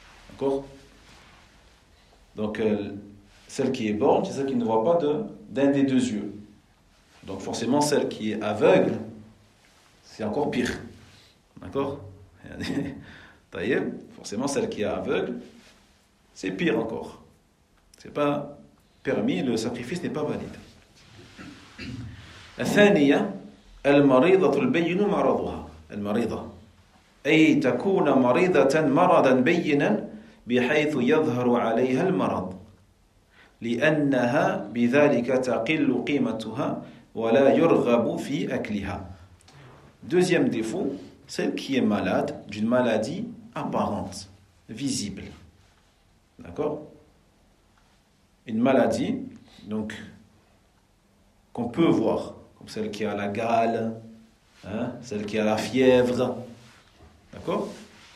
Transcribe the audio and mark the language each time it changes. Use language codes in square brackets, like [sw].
[fr] D'accord ? Donc, celle qui est borgne, c'est celle qui ne voit pas d'un des deux yeux. Donc, forcément, celle qui est aveugle, c'est encore pire. D'accord ? Taïeb, forcément, celle qui est aveugle, c'est pire encore. C'est pas permis, le sacrifice n'est pas valide. [ar] La thaniya, المريضة البين مرضها المريضة أي تكون مريضة مرضا بينا بحيث يظهر عليها المرض لأنها بذلك تقل قيمتها ولا يرغب في أكلها. [fr] Deuxième défaut, celle qui est malade d'une maladie apparente, visible. D'accord ? Une maladie donc qu'on peut voir, comme celle qui a la gale, hein, celle qui a la fièvre. D'accord ?